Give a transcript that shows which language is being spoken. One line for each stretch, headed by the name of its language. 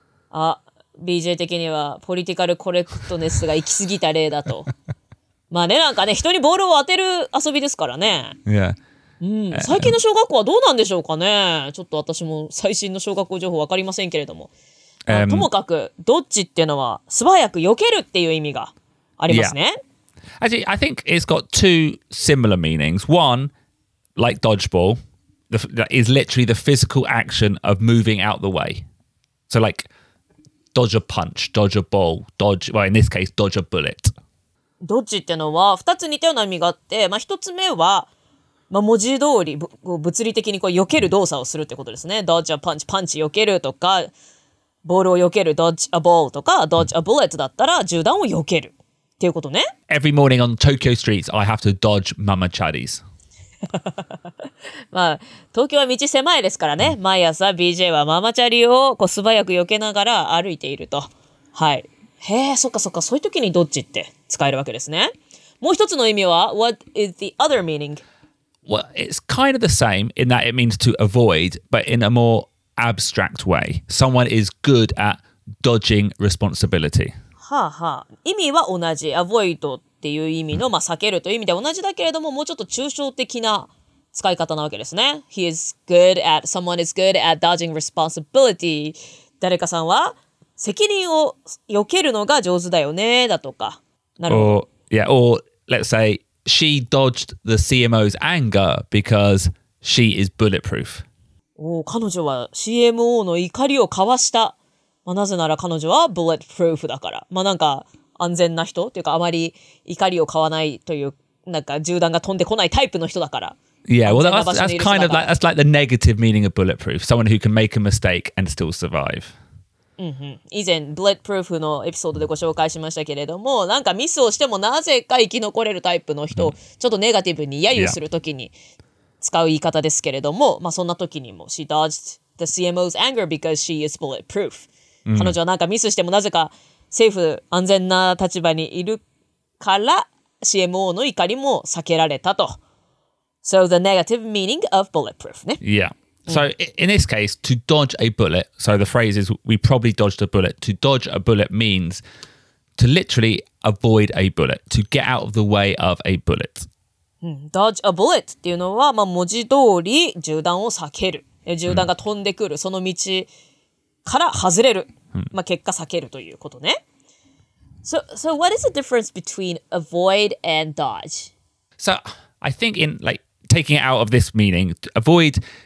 Japanese: あ、BJ 的にはポリティカルコレクトネスが行き過ぎた例だと。まあね、なんかね、人にボールを当てる遊びですからね。
English: Yeah.
Japanese: 最近の小学校はどうなんでしょうかね。ちょっと私も最新の小学校情報わかりませんけれども。ともかくドッジっていうのは素早く避けるっていう意味がありますね。
English: Yeah. Actually, I think it's got two similar meanings. One, like dodgeball, is literally the physical action of moving out the way. So like, dodge a punch, dodge a ball, dodge, well, in this case, dodge a bullet.
Japanese: ドッジっていうのは2つ似たような意味があって、まあ、1つ目は、まあ、文字通り物理的にこう避ける動作をするってことですね。ドッジはパンチ、パンチ避けるとか、ボールを避ける、ドッジアボールとか、ドッジアブレットだったら銃弾を避けるっていうことね。
English: Every morning on Tokyo streets, I have to dodge mama chaddies.
Japanese: まあ、東京は道狭いですからね。毎朝 BJ はママチャリをこう素早く避けながら歩いていると。はい。へえ、そっかそっか、そういう時にドッジって使えるわけですね。もう一つの意味は、
English: What is the other meaning? Well, it's kind of the same in that it means to avoid, but in a more abstract way. Someone is good at dodging responsibility.
Japanese: はあはあ。意味は同じ。 Avoid っていう意味の、まあ、避けるという意味で同じだけれども、もうちょっと抽象的な使い方なわけですね。
English: He is good at, someone is good at dodging responsibility.
Japanese: 誰かさんは責任を避けるのが上手だよね、だとか。なるほど。
English: Or, yeah, or let's say,She dodged the CMO's anger because she is bulletproof.
Japanese: お、彼女は CMO の怒りをかわした。まあ、なぜなら彼女は bulletproof だから。まあなんか安全な人というかあまり怒りをかわないというなんか銃弾が飛んでこないタイプの人だから。
English: Yeah, well, that's kind of like that's like the negative meaning of bulletproof. Someone who can make a mistake and still survive.
Japanese: 以前 Bulletproof のエピソードでご紹介しましたけれどもなんかミスをしてもなぜか生き残れるタイプの人ちょっとネガティブに揶揄するときに使う言い方ですけれども、まあ、そんなときにも
English: She dodged the CMO's anger because she is bulletproof、
Japanese: うん、彼女はなんかミスしてもなぜか政府安全な立場にいるから CMO の怒りも避けられたと
English: So the negative meaning of bulletproof
Japanese: ね
English: Yeah. So in this case, to dodge a bullet, so the phrase is, we probably dodged a bullet. To dodge a bullet means to literally avoid a bullet, to get out of the way of a bullet.
Japanese: Dodge a bullet っていうのは、まあ、文字通り銃弾を避ける。銃弾が飛んでくる、その道から外れる。まあ、結果避けるということね。
English: So what is the difference between avoid and dodge? So I think in like taking it out of this meaning, avoid...